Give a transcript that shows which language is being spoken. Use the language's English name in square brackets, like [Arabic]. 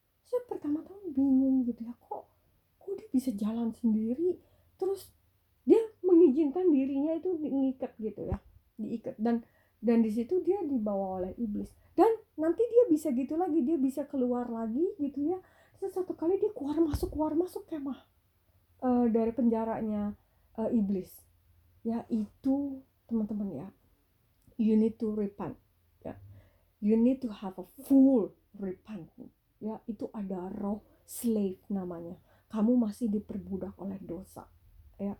[Indonesian] Saya pertama-tama bingung gitu ya, kok dia bisa jalan sendiri, terus dia mengizinkan dirinya itu diikat gitu ya, diikat dan di situ dia dibawa oleh iblis. Dan nanti dia bisa gitu lagi, dia bisa keluar lagi gitu ya. Terus satu kali dia keluar masuk kemah dari penjaranya iblis. Ya itu teman-teman ya, [English] you need to repent [Indonesian] ya. [English] You need to have a full repent [Indonesian] ya. Itu ada roh [English] slave [Indonesian] namanya, kamu masih diperbudak oleh dosa ya.